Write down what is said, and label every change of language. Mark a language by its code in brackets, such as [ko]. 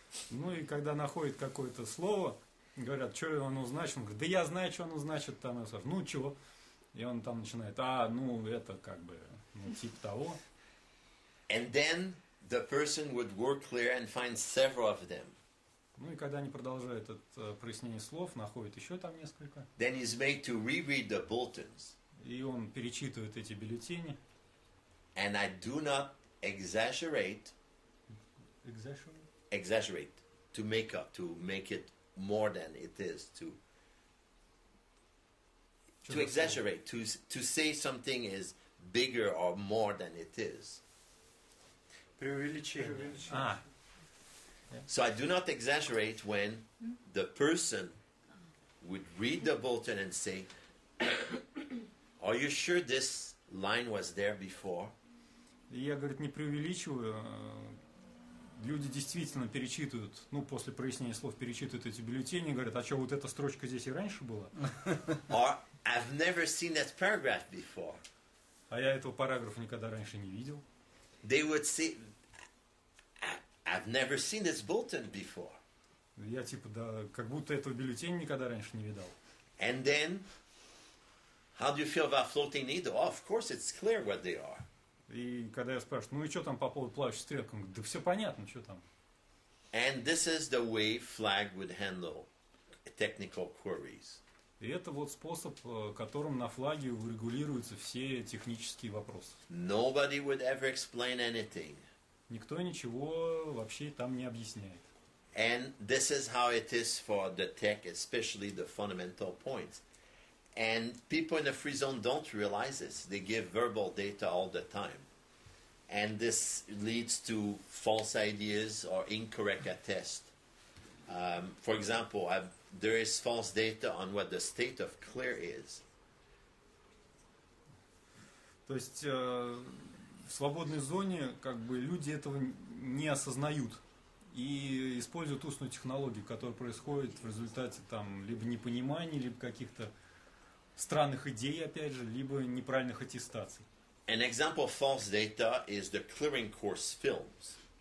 [ru] Ну и когда находит какое-то слово, говорят, что оно значит, он говорит, да я знаю, что оно значит, там я скажу, ну чего? И он там начинает, а, ну это как бы, ну, типа того. [en] And then the person would work clear and find several of them. [ru] Ну и когда они продолжают это прояснение слов, находят еще там несколько. [en] Then he's made to reread the bulletins. [ru] И он перечитывает эти бюллетени. [en] And I do not exaggerate. Exaggerate? Exaggerate. To make up, to make it more than it is. To exaggerate. To say something is bigger or more than it is. [ru] Преувеличение. [en] So I do not exaggerate when the person would read the bulletin and say, are you sure this line was there before? [ru] Я, говорит, не преувеличиваю. Люди действительно перечитывают, ну, после прояснения слов перечитывают эти бюллетени и говорят, а что, вот эта строчка здесь и раньше была? [en] Or, I've never seen that paragraph before. [ru] А я этого параграфа никогда раньше не видел. [en] They would say, I've never seen this bulletin before. [ru] Я, типа, да, как будто этого бюллетеня никогда раньше не видал. [en] And then, how do you feel about floating needle? Oh, of course, it's clear what they are. [ru] И когда я спрашиваю, ну и что там по поводу плавающей стрелки? Он говорит, да все понятно, что там. [en] And this is the way FLAG would handle technical queries. [ru] И это вот способ, которым на флаге урегулируются все технические вопросы. [en] Nobody would ever explain anything. [ru] Никто ничего вообще там не объясняет. [en] And this is how it is for the tech, especially the fundamental points. And people in the free zone don't realize this. They give verbal data all the time. And this leads to false ideas or incorrect attest. For example, there is false data on what the state of clear is. [ru] То есть в свободной зоне как бы люди этого не осознают. И используют устную технологию, которая происходит в результате там либо непонимания, либо каких-то странных идей, опять же, либо неправильных аттестаций. [en] An example of false data is the clearing course films.